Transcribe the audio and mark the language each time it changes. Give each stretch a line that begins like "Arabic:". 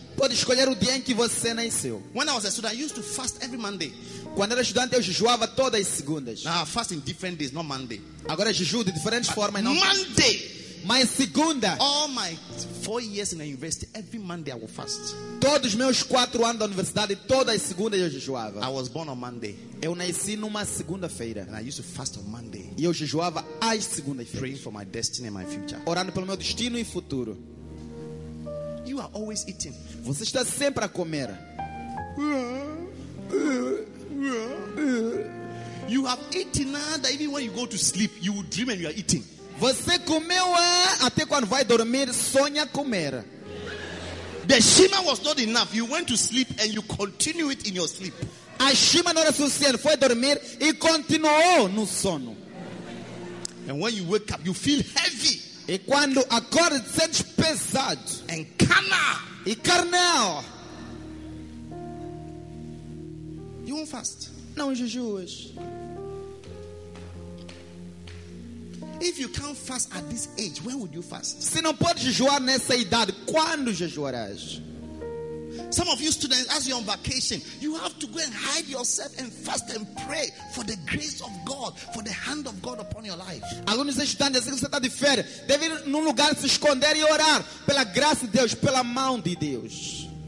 Portuguese: Pode escolher o dia em que você nasceu.
English: When I was a student, I used to fast every Monday.
Portuguese: Quando era estudante, eu jejuava todas as segundas.
English: Now I fast in different days, not Monday.
Portuguese: Agora jejuo de diferentes formas, não
English: Monday.
Portuguese: Mas segunda.
English: All my 4 years in the university, every Monday I will fast.
Portuguese: Todos meus 4 anos da universidade, todas as segundas eu jejuava.
English: I was born on Monday.
Portuguese: Eu nasci numa segunda-feira.
English: And I used to fast on Monday.
Portuguese: E eu jejuava às segundas-feiras.
English: Praying for my destiny and my future.
Portuguese: Orando pelo meu destino e futuro.
English: You are always eating.
Portuguese: Você está sempre a comer.
English: You have eaten
Portuguese: nada.
English: Even when you go to sleep, you will dream and you are eating.
Portuguese: Você comeu até quando vai dormir, sonha comer.
English: The shima was not enough. You went to sleep and you continue it in your sleep.
Portuguese: A shima não era suficiente. Foi dormir e continuou no sono.
English: And when you wake up, you feel heavy.
Portuguese: E quando acorda, sente pesado.
English: And carnal.
Portuguese: E carnal.
English: You won't fast.
Portuguese: Não jejuas.
English: If you can't fast at this age, when would you fast?
Portuguese: Se não pode jejuar nessa idade, quando jejuarás?
English: Some of you students, as you're on vacation, you have to go and hide yourself and fast and pray for the grace of God, for the hand of God upon your life.
Portuguese: Alguns estudantes, assim que você está de férias, deve ir num lugar se esconder e orar pela graça de Deus, pela mão de Deus.